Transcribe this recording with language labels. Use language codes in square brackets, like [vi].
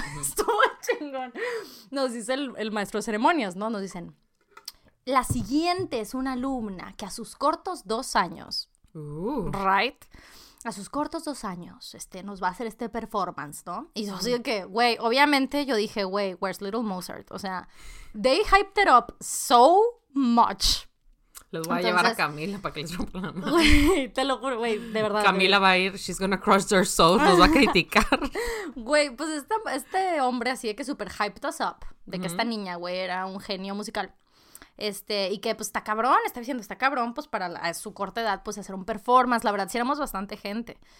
[es] Estuvo chingón. Nos dice el maestro de ceremonias, ¿no? Nos dicen, la siguiente es una alumna que a sus cortos 2 años, right? A sus cortos 2 años, nos va a hacer este performance, ¿no? Y yo digo que, güey, obviamente yo dije, güey, [en] where's Little Mozart? O sea, they hyped it up so much. [es] Les voy a llevar a Camila para que les rompa la mano. Güey, te lo juro, güey, de verdad. Camila va a ir, [en] she's gonna crush their soul, [es] nos va a criticar. Güey, pues este hombre así de que [en] super hyped us up, [es] de que esta niña, güey, era un genio musical. Y que pues está cabrón, pues para a su corta edad, pues hacer un performance, la verdad, sí éramos bastante gente.